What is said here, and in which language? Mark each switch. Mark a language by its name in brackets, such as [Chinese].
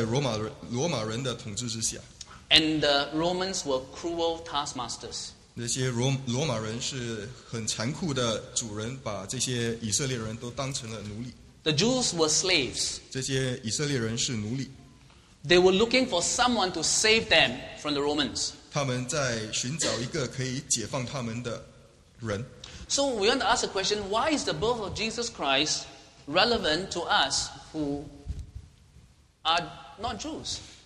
[Chinese] 以色列人在当时是在罗马人的统治之下。 [English] And the Romans were cruel taskmasters. [Chinese] 那些罗马人是很残酷的主人，把这些以色列人都当成了奴隶。 [English] The Jews were slaves. [Chinese] 这些以色列人是奴隶。 [English] They were looking for someone to save them from the Romans. [Chinese] 他们在寻找一个可以解放他们的人。 [English] So we want to ask a question, why is the birth of Jesus Christ relevant to us who are not Jews?